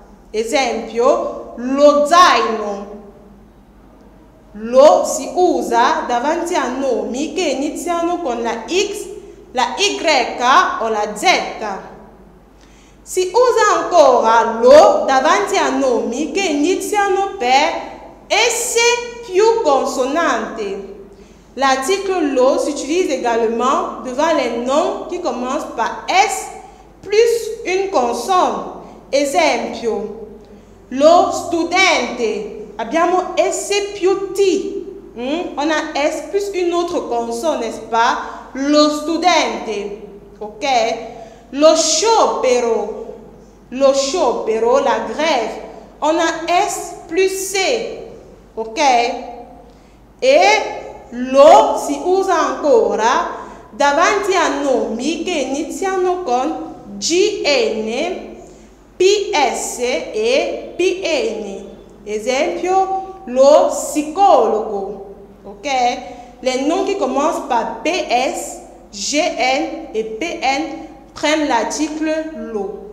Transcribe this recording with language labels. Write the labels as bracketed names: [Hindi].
[Italian] Esempio, lo zaino. Lo si usa davanti a nomi che iniziano con la X, la Y o la Z. Si usa ancora lo davanti a nomi che iniziano per S più consonante. [French] L'article lo si utilise également devant les noms qui commencent par S plus une consonne. [Italian] Esempio, lo studente. Abbiamo S più T. [French] On a S plus une autre consonne, n'est-ce pas? [Italian] Lo studente. Ok? Lo sciopero. Lo sciopero, [French] la grève. On a S plus C. Ok? [Italian] Et lo si usa ancora davanti a nomi che iniziano con GN, PS e PN. Esempio, lo psicologo. Ok? [French] Les noms qui commencent par PS, GN et PN prennent l'article lo.